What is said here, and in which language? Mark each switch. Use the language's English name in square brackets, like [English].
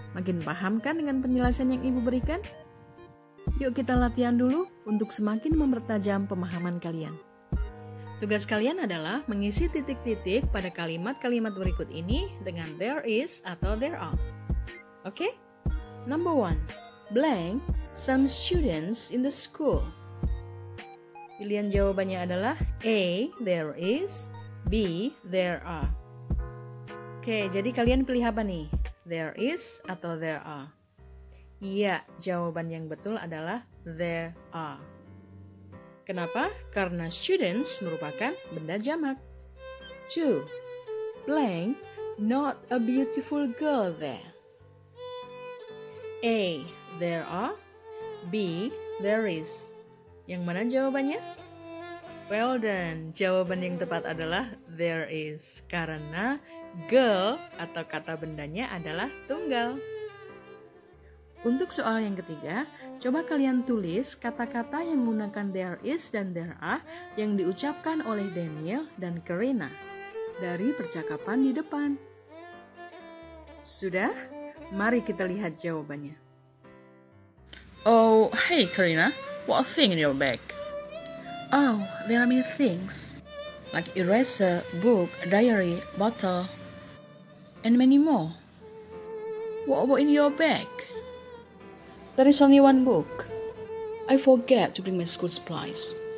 [Indonesian] Makin paham kan dengan penjelasan yang Ibu berikan? Yuk kita latihan dulu untuk semakin mempertajam pemahaman kalian. Tugas kalian adalah mengisi titik-titik pada kalimat-kalimat berikut ini dengan there is atau there are. [English] Okay? Number one, blank, some students in the school. [Indonesian] Pilihan jawabannya adalah A, there is, B, there are. Okay, jadi kalian pilih apa nih? There is atau there are? Iya, jawaban yang betul adalah there are. Kenapa? Karena students merupakan benda jamak. 2. [English] Blank, not a beautiful girl there. [Indonesian] A. There are. B. There is. Yang mana jawabannya? [English] Well done, [Indonesian] jawaban yang tepat adalah there is. Karena girl atau kata bendanya adalah tunggal. Untuk soal yang ketiga, coba kalian tulis kata-kata yang menggunakan there is dan there are yang diucapkan oleh Daniel dan Karina dari percakapan di depan. Sudah? Mari kita lihat jawabannya. [English] Oh, hey Karina, what thing in your bag? Oh, there are many things, like eraser, book, diary, bottle, and many more. What about in your bag? There is only one book. I forget to bring my school supplies.